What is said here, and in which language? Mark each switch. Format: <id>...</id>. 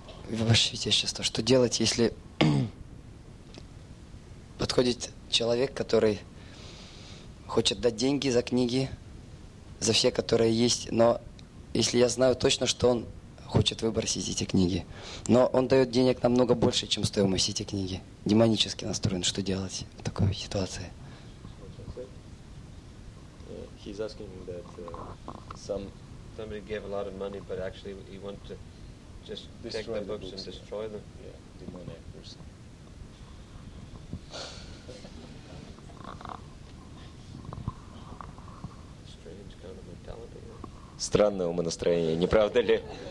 <ru>Ваше Святейшество, что делать, если подходит человек, который хочет дать деньги за книги, за все, которые есть, но если я знаю точно, что он хочет выбросить эти книги, но он дает денег намного больше, чем стоимость эти книги, демонически настроен, что делать в такой ситуации?</ru> <en>He's asking that somebody gave a lot of money, but actually he wanted to just destroy take the books, books and destroy them. Yeah, demonic person. Strange kind of mentality.</en> <ru>Странное умонастроение, не правда ли?</ru>